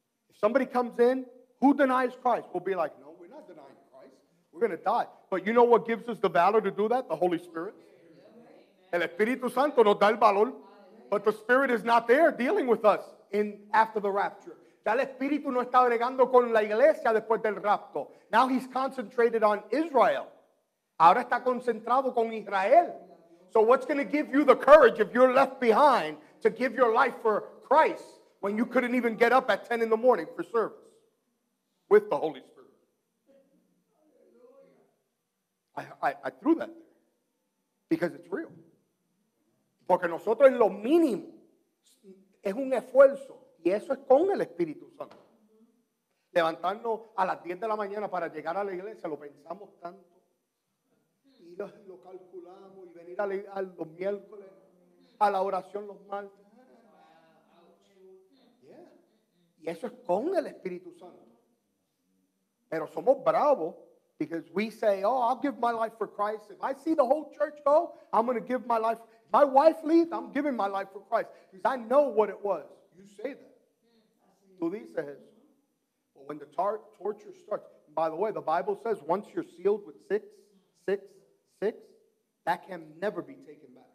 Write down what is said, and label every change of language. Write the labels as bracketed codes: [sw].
[en] If somebody comes in, who denies Christ? We'll be like, no, we're not denying Christ. We're going to die. But you know what gives us the valor to do that? The Holy Spirit. [es] El Espíritu Santo nos da el valor. [en] But the Spirit is not there dealing with us in after the rapture. [es] Ya el Espíritu no está bregando con la iglesia después del rapto. [en] Now he's concentrated on Israel. [es] Ahora está concentrado con Israel. [en] So what's going to give you the courage if you're left behind to give your life for Christ when you couldn't even get up at 10 in the morning for service? With the Holy Spirit. I threw that there because it's real. [es] Porque nosotros en lo mínimo es un esfuerzo y eso es con el Espíritu Santo. Levantarnos a las 10 de la mañana para llegar a la iglesia, lo pensamos tanto. Y lo calculamos y venir a los miércoles, a la oración los martes. Yeah. Y eso es con el Espíritu Santo. Pero somos bravos. [en] Because we say, oh, I'll give my life for Christ. If I see the whole church go, I'm going to give my life. If my wife leaves, I'm giving my life for Christ. Because I know what it was. You say that. [es] Tú dices eso. [en] But when the torture starts, by the way, the Bible says once you're sealed with 666, that can never be taken back.